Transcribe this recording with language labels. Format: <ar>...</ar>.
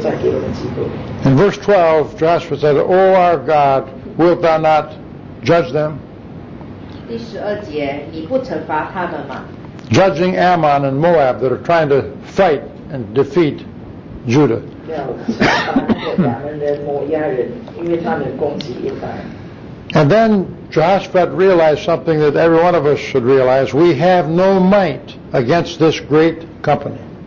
<en>In verse 12, Joshua said, O our God, wilt thou not judge them?</en> <zh>第十二节，你不惩罚他们吗？</zh> <en>Judging Ammon and Moab that are trying to fight and defeat Judah. And then Jehoshaphat realized something that every one of us should realize. We have no might against this great company.</en>